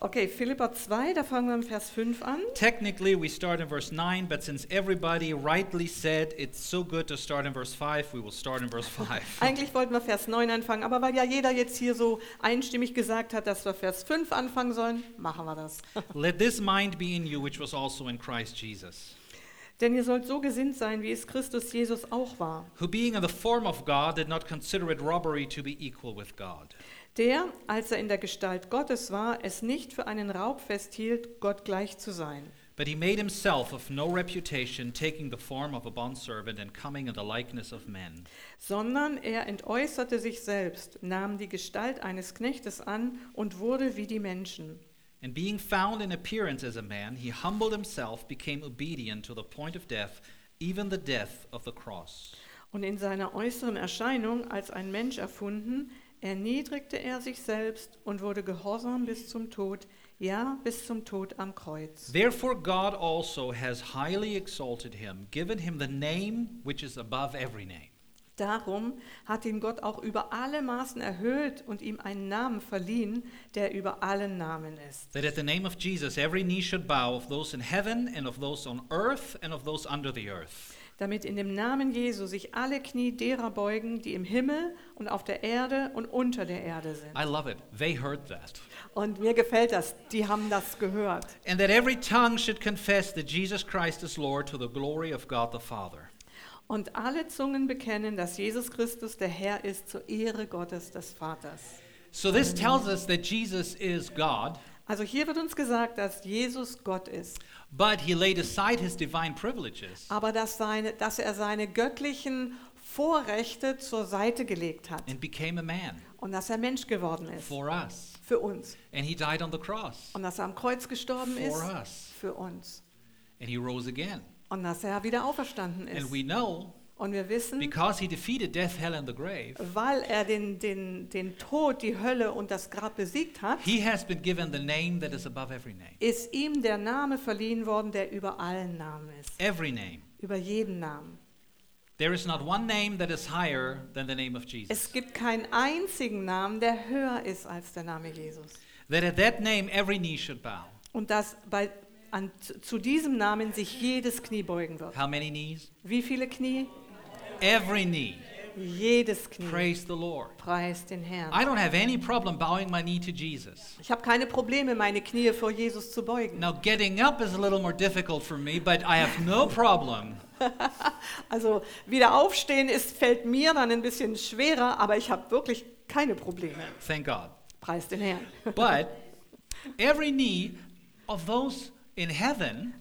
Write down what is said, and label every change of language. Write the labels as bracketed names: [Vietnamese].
[German] Okay, Philipper 2, da fangen wir im Vers 5 an. [English] Technically we start in verse 9, but since everybody rightly said it's so good to start in verse 5, we will start in verse 5. [German] Eigentlich wollten wir Vers 9 anfangen, aber weil ja jeder jetzt hier so einstimmig gesagt hat, dass wir Vers 5 anfangen sollen, machen wir das. [English] Let this mind be in you, which was also in Christ Jesus. [German] Denn ihr sollt so gesinnt sein, wie es Christus Jesus auch war. [English] Who being in the form of God did not consider it robbery to be equal with God. [German] Der, als er in der Gestalt Gottes war, es nicht für einen Raub festhielt, Gott gleich zu sein. [English] But he made himself of no reputation, taking the form of a bondservant and coming in the likeness of men. [German] Sondern er entäußerte sich selbst, nahm die Gestalt eines Knechtes an und wurde wie die Menschen. [English] And being found in appearance as a man, he humbled himself, became obedient to the point of death, even the death of the cross. [German] Und in seiner äußeren Erscheinung als ein Mensch erfunden, erniedrigte er sich selbst und wurde gehorsam bis zum Tod, ja, bis zum Tod am Kreuz. [English] Therefore God also has highly exalted him, given him the name which is above every name. [German] Darum hat ihn Gott auch über alle Maßen erhöht und ihm einen Namen verliehen, der über allen Namen ist. [English] That at the name of Jesus every knee should bow, of those in heaven and of those on earth and of those under the earth. [German] Damit in dem Namen Jesu sich alle Knie derer beugen, die im Himmel und auf der Erde und unter der Erde sind. [English] I love it. They heard that. [German] Und mir gefällt das. Die haben das gehört. [English] And that every tongue should confess that Jesus Christ is Lord to the glory of God the Father. [German] Und alle Zungen bekennen, dass Jesus Christus der Herr ist zur Ehre Gottes des Vaters. [English] So this tells us that Jesus is God. [German] Also hier wird uns gesagt, dass Jesus Gott ist. [English] But he laid aside his divine privileges. [German] Aber dass er seine göttlichen Vorrechte zur Seite gelegt hat. [English] And became a man. [German] Und dass er Mensch geworden ist. [English] For us. [German] Für uns. [English] And he died on the cross. [German] Und dass er am Kreuz gestorben [English] for [German] ist. [English] For us. [German] Für uns. [English] And he rose again. [German] Und dass er wieder auferstanden ist. [English] And we know, [German] und wir wissen, [English] because he defeated death, hell and the grave, [German] weil er den Tod, die Hölle und das Grab besiegt hat, [English] he has been given the name that is above every name. [German] Ist ihm der Name verliehen worden, der über allen Namen ist. [English] Every name. [German] Über jeden Namen. [English] There is not one name that is higher than the name of Jesus. [German] Es gibt keinen einzigen Namen, der höher ist als der Name Jesus. [English] That at that name every knee should bow. [German] Und dass bei zu diesem Namen sich jedes Knie beugen wird. [English] How many knees? [German] Wie viele Knie? [English] Every knee. [German] Jedes Knie. [English] Praise the Lord. [German] Preist den Herrn. [English] I don't have any problem bowing my knee to Jesus. [German] Ich habe keine Probleme, meine Knie vor Jesus zu beugen. [English] Now getting up is a little more difficult for me, but I have no problem. [German] Also wieder aufstehen ist fällt mir dann ein bisschen schwerer, aber ich habe wirklich keine Probleme. [English] Thank God. [German] Preist den Herrn. [English] But every knee of those in heaven,